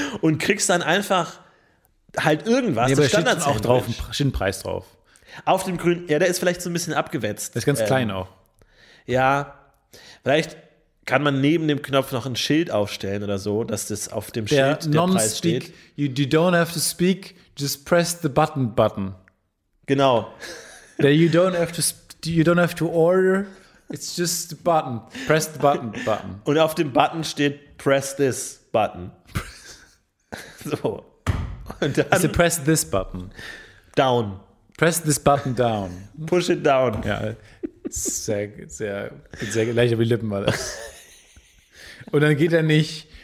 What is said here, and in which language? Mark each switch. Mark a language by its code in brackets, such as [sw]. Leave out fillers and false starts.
[de] Und kriegst dann einfach halt irgendwas. Nee, aber da steht auch drauf, steht ein Preis drauf. Auf dem grünen, ja, der ist vielleicht so ein bisschen abgewetzt. Der ist ganz klein auch. Ja, vielleicht kann man neben dem Knopf noch ein Schild aufstellen oder so, dass das auf dem Schild der Preis steht. [en] You don't have to speak, just press the button. [de] Genau. [en] You don't have to order, it's just the button. Press the button. [de] Und auf dem Button steht [en] press this button. [de] So. Und dann, also [en] press this button. Down. Press this button down. Push it down. [de] Ja, sehr leicht auf die Lippen war das. Und dann geht er nicht.